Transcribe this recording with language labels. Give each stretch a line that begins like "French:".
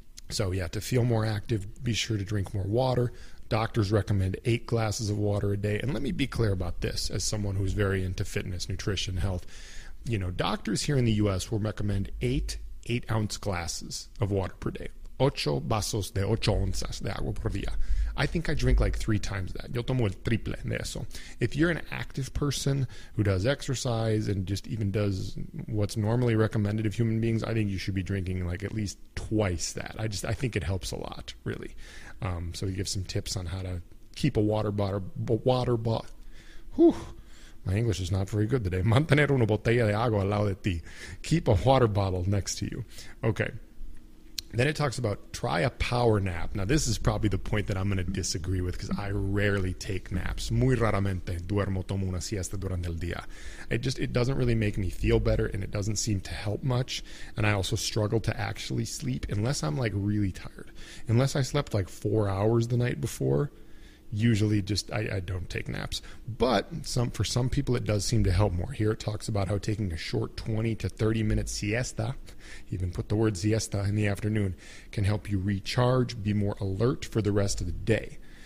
English: So yeah, to feel more active, be sure to drink more water. Doctors recommend 8 glasses of water a day. And let me be clear about this as someone who's very into fitness, nutrition, health. You know, doctors here in the US will recommend 8 8-ounce glasses of water per day.
Spanish: Ocho vasos de 8 onzas de agua por día.
English: I think I drink like 3 times that.
Spanish: Yo tomo el triple de eso.
English: If you're an active person who does exercise and just even does what's normally recommended of human beings, I think you should be drinking like at least twice that. I think it helps a lot, really. So he gives some tips on how to keep a water bottle. Water bottle. Whew. My English is not very good today.
Spanish: Mantener una botella de agua al lado de ti.
English: Keep a water bottle next to you. Okay. Then it talks about try a power nap. Now, this is probably the point that I'm going to disagree with because I rarely take naps.
Spanish: Muy raramente duermo tomo una siesta durante el día.
English: It doesn't really make me feel better, and it doesn't seem to help much. And I also struggle to actually sleep unless I'm like really tired. Unless I slept like 4 hours the night before, usually just I don't take naps. But for some people, it does seem to help more. Here it talks about how taking a short 20 to 30 minute siesta, even put the word siesta in the afternoon, can help you recharge, be more alert for the rest of the day.